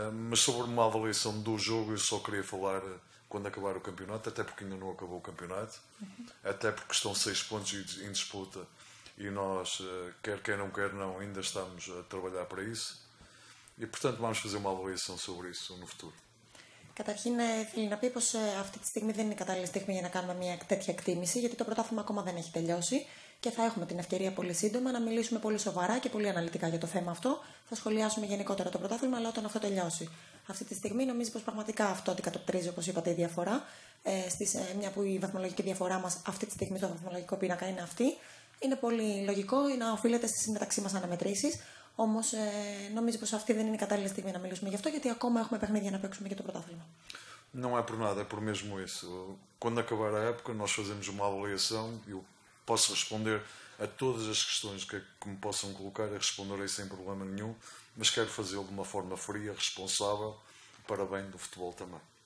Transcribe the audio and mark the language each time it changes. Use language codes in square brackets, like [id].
[pt] Mas sobre uma avaliação do jogo, eu só queria falar quando acabar o campeonato, até porque ainda não acabou o campeonato, até porque estão 6 pontos em disputa e nós, quer não quer não, ainda estamos a trabalhar para isso. E, portanto, vamos fazer uma avaliação sobre isso no futuro. [el] Καταρχήν, θέλω να πει πως αυτή τη στιγμή δεν είναι κατάλληλη στιγμή για να κάνουμε μια τέτοια εκτίμηση, γιατί το πρωτάθλημα ακόμα δεν έχει τελειώσει και θα έχουμε την ευκαιρία πολύ σύντομα να μιλήσουμε πολύ σοβαρά και πολύ αναλυτικά για το θέμα αυτό. Θα σχολιάσουμε γενικότερα το πρωτάθλημα, αλλά όταν αυτό τελειώσει. Αυτή τη στιγμή νομίζω πως πραγματικά αυτό αντικατοπτρίζει, όπως είπατε, η διαφορά. Μια που η βαθμολογική διαφορά μας αυτή τη στιγμή, το βαθμολογικό πίνακα είναι αυτή. Είναι πολύ λογικό να οφείλεται στις μεταξύ μας αναμετρήσεις. Όμως νομίζω πως αυτή δεν είναι η κατάλληλη στιγμή να μιλήσουμε γι' αυτό, γιατί ακόμα έχουμε παιχνίδια να παίξουμε για το πρωτάθλημα. [pt] Não é por nada, é por mesmo isso. Quando acabar a época, nós fazemos uma avaliação e eu posso responder a todas as questões que me possam colocar, e responderei sem problema nenhum, mas quero fazê-lo de uma forma fria, responsável, para bem do futebol também.